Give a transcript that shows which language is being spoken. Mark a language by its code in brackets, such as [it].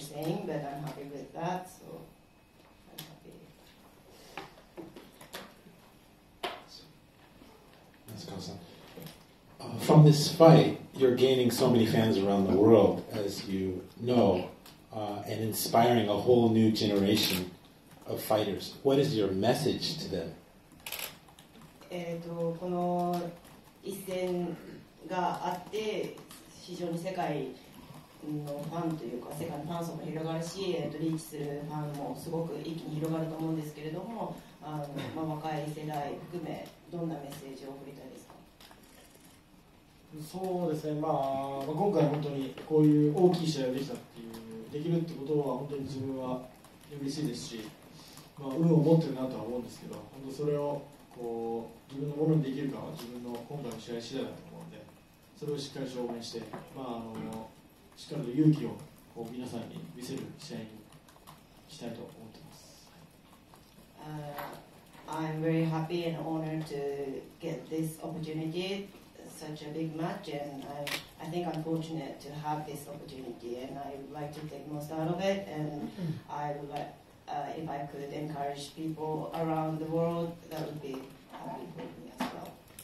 [en] saying, but I'm happy with that, so I'm happy. Nasukawa-san, from this fight, you're gaining so many fans around the world, as you know, and inspiring a whole new generation of fighters. What is your message to them? [ja] この一戦があって、非常に世界のファンというか世界のファン層も広がるし、リーチするファンもすごく一気に広がると思うんですけれども、まあ、若い世代含めどんなメッセージを送りたいですか。そうですね、まあ、今回本当にこういう大きい試合ができたっていうできるってことは本当に自分は嬉しいですし、まあ、運を持ってるなとは思うんですけど、本当それをこう自分のものにできるかは自分の今回の試合次第だと思うので、それをしっかり証明して、まあしっかりと勇気をこう皆さんに見せる試合にしたいと思っています。 [en] I'm very happy and honored to get this opportunity, such a big match, and I think I'm fortunate to have this opportunity, and I would like to take most out of it, and I would like, if I could encourage people around the world, that would be happy for me as well.